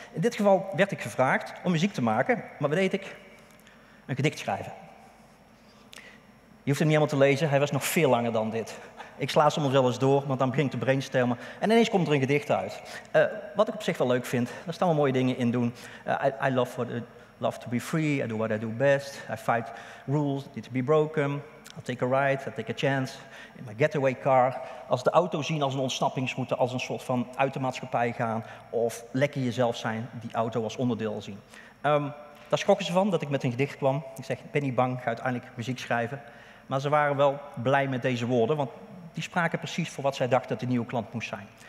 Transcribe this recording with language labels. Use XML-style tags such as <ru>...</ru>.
<nl>In dit geval werd ik gevraagd om muziek te maken, maar wat deed ik? Een gedicht schrijven. Je hoeft hem niet helemaal te lezen, hij was nog veel langer dan dit. Ik sla soms wel eens door, want dan begin ik te brainstormen. En ineens komt er een gedicht uit. Wat ik op zich wel leuk vind, daar staan wel mooie dingen in doen.</nl> <en>I love what... Love to be free, I do what I do best. I fight rules, need to be broken. I'll take a ride, I'll take a chance. In my getaway car.</en> <nl>Als de auto zien als een ontsnappingsroute, als een soort van uit de maatschappij gaan. Of lekker jezelf zijn, die auto als onderdeel zien. Daar schrokken ze van, dat ik met een gedicht kwam. Ik zeg, ben niet bang, ga uiteindelijk muziek schrijven. Maar ze waren wel blij met deze woorden, want die spraken precies voor wat zij dachten dat de nieuwe klant moest zijn.</nl>